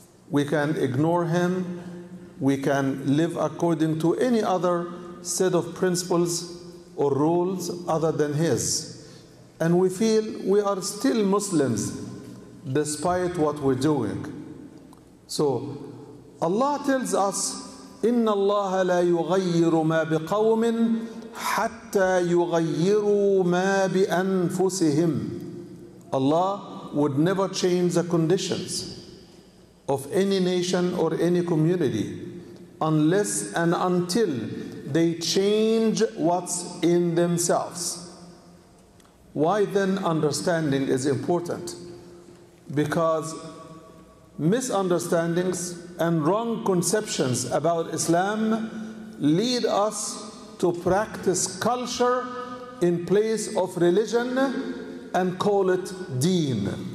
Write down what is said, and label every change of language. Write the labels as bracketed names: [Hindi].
[English] We can ignore Him. We can live according to any other set of principles or rules other than His. And we feel we are still Muslims despite what we're doing. So Allah tells us, [Arabic] إِنَّ اللَّهَ لَا يُغَيِّرُ مَا بِقَوْمٍ حَتَّى يُغَيِّرُوا مَا بِأَنفُسِهِمْ. [English] Allah would never change the conditions of any nation or any community unless and until they change what's in themselves. Why then understanding is important? Because misunderstandings and wrong conceptions about Islam lead us to practice culture in place of religion and call it deen.